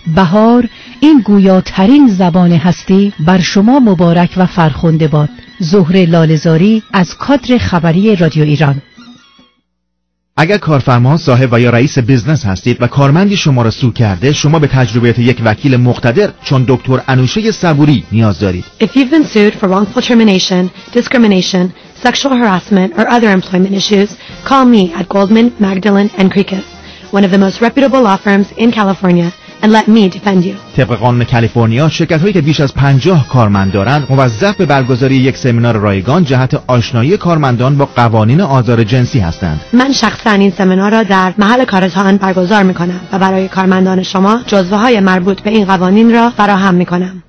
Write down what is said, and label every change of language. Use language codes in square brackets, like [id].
[fa] بهار، این گویاترین زبان هستی، بر شما مبارک و فرخنده باد. زهره لاله‌زاری از کادر خبری رادیو ایران. اگر کارفرما، صاحب و یا رئیس بیزنس هستید و کارمندی شما را سو کرده، شما به تجربیات یک وکیل مقتدر چون دکتر انوشه صبوری نیاز دارید. [en] If you've been sued for wrongful termination, discrimination, sexual harassment or other employment issues, call me at Goldman, Magdalen and Krikus, one of the most reputable law firms in California. And let me defend you. [fa] طبق قانون کالیفرنیا، شرکت هایی که بیش از 50 کارمند دارند موظف به برگزاری یک سمینار رایگان جهت آشنایی کارمندان با قوانین آزار جنسی هستند. من شخصا این سمینار را در محل کارتان برگزار میکنم و برای کارمندان شما جزوه های مربوط به این قوانین را فراهم میکنم.